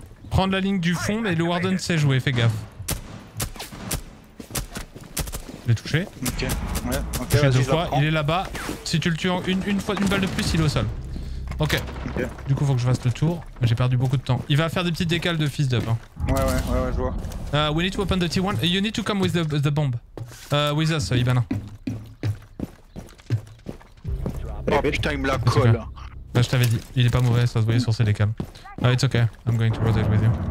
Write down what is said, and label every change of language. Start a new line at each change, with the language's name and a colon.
French: Prendre la ligne du fond, mais le Warden sait jouer, fais gaffe. J'ai touché. Ok, ouais, ok. Deux fois. Il est là-bas. Si tu le tues en une fois, une balle de plus, il est au sol. Ok. Du coup, faut que je fasse le tour. J'ai perdu beaucoup de temps. Il va faire des petites décales de fist up. Hein. Ouais, je vois.
English: We need to open the T1. You need to come with the bomb. With us, Ibana.
French: Oh putain, il me la colle. Bah, je t'avais dit, il est pas mauvais, ça se voyait sur ses décams.
English: Oh, it's okay, I'm going to rotate with you.